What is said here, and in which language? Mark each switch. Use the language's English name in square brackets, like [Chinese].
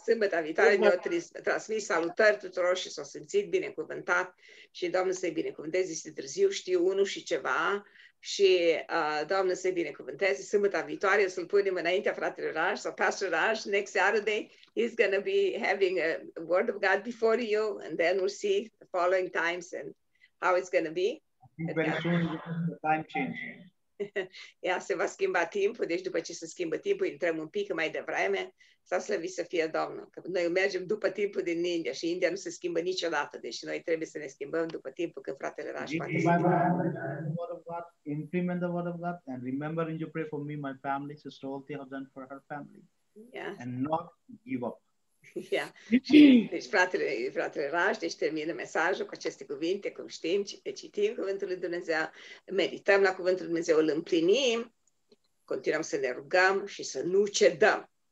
[Romanian] Sâmbăta viitoare ne-o transmis salutări tuturor și s-o simțit binecuvântat și Domnul să-i binecuvânteze. Este târziu, știu, 1 și ceva și Domnul să-i binecuvânteze. Sâmbăta viitoare o să-l punem înaintea fratele Raj sau Pastor Raj. [English] Next Saturday he's going to be having a word of God before you and then we'll see the following times and how it's going to be. Very soon the time change. [Romanian] Ea se va schimba timpul, deci după ce se schimbă timpul, intrăm un pic mai devreme, s-a slăvit să fie Domnul. Că noi mergem după timpul din India și India nu se schimbă niciodată, deci noi trebuie să ne schimbăm după timpul când fratele Raj poate schimba. [English] Implement the word of God and remember and you pray for me, my family, sister Olti has done for her family. Yeah. And not give up. [Romanian] Deci, fratele Raș, deci termină mesajul cu aceste cuvinte, cum știm, citim Cuvântul lui Dumnezeu, merităm la Cuvântul lui Dumnezeu, îl împlinim, continuăm să ne rugăm și să nu cedăm.